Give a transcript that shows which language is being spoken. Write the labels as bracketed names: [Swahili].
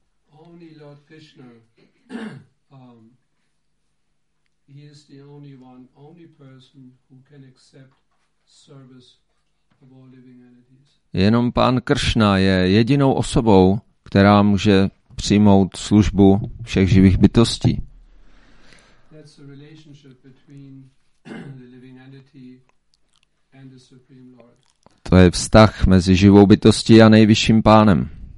[English] Only Lord Krishna, he is the only one, only person who can accept service of all living entities. [Czech] Jenom pán Krishna je jedinou osobou, která může přijmout službu všech živých bytostí. [English] That's the relationship between the living entity and the Supreme Lord. [Czech] To je vztah mezi živou bytostí a nejvyšším pánem.